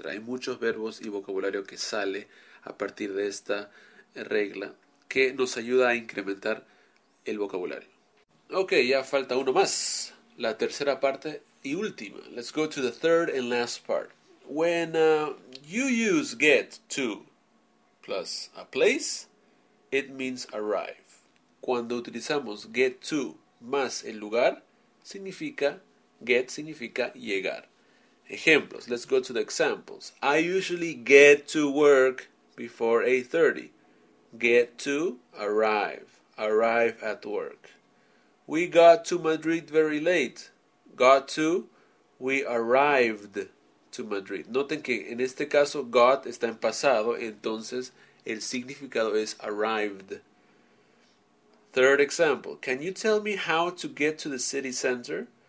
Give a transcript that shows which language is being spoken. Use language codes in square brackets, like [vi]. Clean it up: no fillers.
[es] Hay muchos verbos y vocabulario que sale a partir de esta regla que nos ayuda a incrementar el vocabulario. Ok, ya falta uno más. La tercera parte y última. [en] Let's go to the third and last part. When you use get to plus a place, it means arrive. [es] Cuando utilizamos get to más el lugar, significa llegar. [en] Ejemplos, let's go to the examples. I usually get to work before 8:30. Get to, arrive. Arrive at work. We got to Madrid very late. Got to, we arrived to Madrid. [es] Noten que en este caso got está en pasado, entonces el significado es arrived. [en] Third example. Can you tell me how to get to the city center?